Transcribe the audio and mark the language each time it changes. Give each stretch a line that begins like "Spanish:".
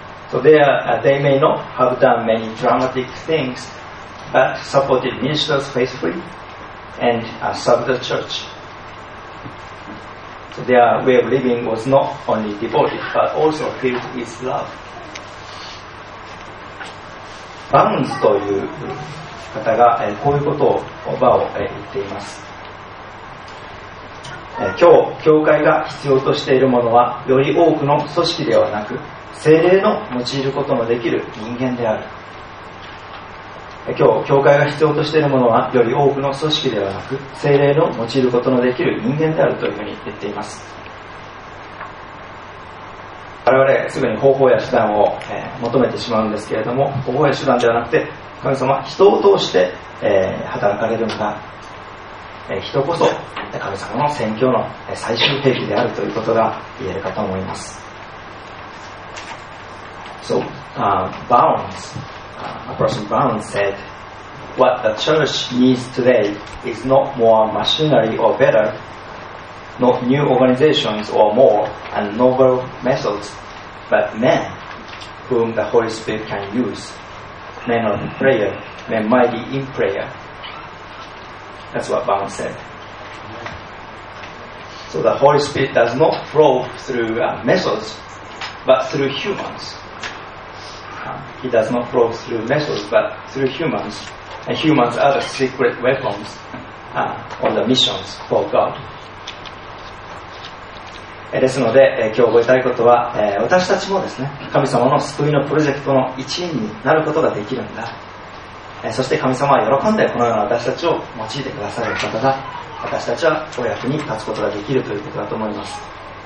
English: So they may not have done many dramatic things, but supported ministers faithfully and served the church. So their way of living was not only devoted, but also filled with love.
Japanese: バウンズという方がこういうことを言っています。今日教会が必要としているものはより多くの組織ではなく聖霊の用いることのできる人間である。今日教会が必要としているものはより多くの組織ではなく聖霊の用いることのできる人間であるというふうに言っています。我々すぐに方法や手段を求めてしまうんですけれども、方法や手段ではなくて神様は人を通して働かれるのが、人こそ神様の宣教の最終兵器であるということが言えるかと思います。
English: So Bounds a person Bounds said What the church needs today is not more machinery or betterNot new organizations or more and novel methods, but men whom the Holy Spirit can use. Men of prayer, men mighty in prayer. That's what Bounds said. So the Holy Spirit does not flow through methods, but through humans. He does not flow through methods, but through humans. And humans are the secret weapons on the missions for God.
Japanese: ですので今日覚えたいことは私たちもですね神様の救いのプロジェクトの一員になることができるんだ。そして神様は喜んでこのような私たちを用いてくださる方が私たちはお役に立つことができるということだと思います。